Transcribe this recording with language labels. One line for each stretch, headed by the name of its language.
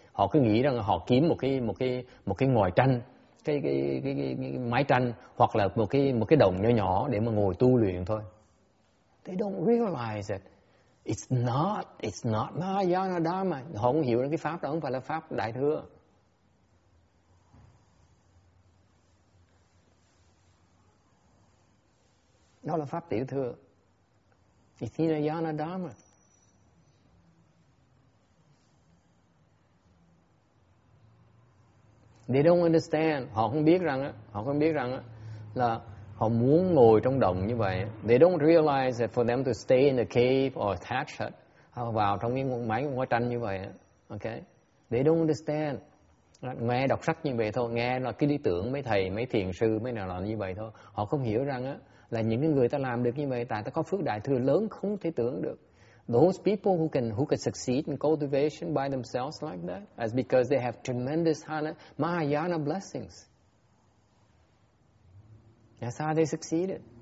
Vietnamese: Họ cứ nghĩ rằng họ kiếm một cái ngòi tranh, cái mái tranh hoặc là một cái đồng nhỏ nhỏ để mà ngồi tu luyện thôi.
English: They don't realize that it's not Mahayana Dharma.
Vietnamese: Họ không hiểu được cái pháp đó không phải là pháp đại thừa. Đó là pháp tiểu thừa.
English: It's Hinayana Dharma. They don't understand.
Vietnamese: Họ không biết rằng là họ muốn ngồi trong đồng như vậy.
English: They don't realize that for them to stay in the cave or thatch hut,
Vietnamese: vào trong cái máy ngói tranh như vậy.
English: Okay? They don't understand.
Vietnamese: Nghe đọc sách như vậy thôi. Nghe là cái lý tưởng mấy thầy, mấy thiền sư, mấy nào là như vậy thôi. Họ không hiểu rằng á, là những cái người ta làm được như vậy tại ta có phước đại thừa lớn không thể tưởng được.
English: Those people who can succeed in cultivation by themselves like that is because they have tremendous Mahayana blessings. That's how they succeeded.